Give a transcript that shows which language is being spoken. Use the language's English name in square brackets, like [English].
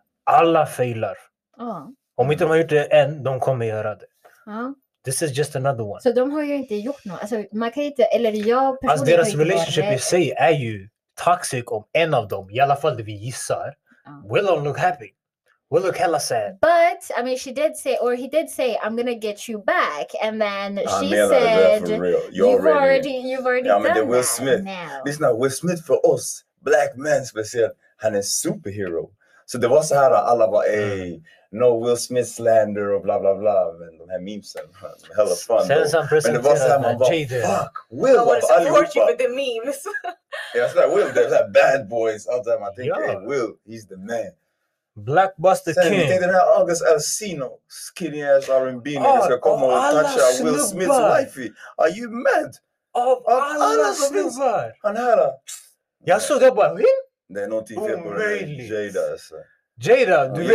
[Swedish] Alla failar. Mm. Om inte de har gjort det än, de kommer göra det. Mm. [English] This is just another one. [Swedish] Så de har ju inte gjort något. Alltså, man kan inte, eller jag personligen alltså, deras relationship i sig är ju toxic om en av dem. I alla fall det vi gissar. [English] Will don't look happy. Will look hella sad. But, I mean, he did say, I'm gonna get you back. And then she said, you've already yeah, done I mean, Will that Smith. Now. Listen, Will Smith for us, black men, especially, [Swedish] han är superhero. Så det var så här, alla bara, [English] hey, no Will Smith slander [Swedish] och bla bla bla. Men de här memesen, [English] hella fun. [Swedish] Sen så men det var så här, man bara, [English] fuck, [Swedish] Will, [English] I want to support you with the memes. Yeah, it's like Will, there's like bad boys all the time. I think, yeah. Hey, Will, he's the man. Blackbuster [Swedish] sen, [English] King. [Swedish] Sen tänkte den här August Alsino, [English] skinny ass R&B, [Swedish] när ska komma och toucha Will Smiths wifey. [English] Are you mad? [Swedish] Av alla snubbar. Han här. Jag såg det bara, vem? Det är någonting fel på dig, Jada. Jada, du vet.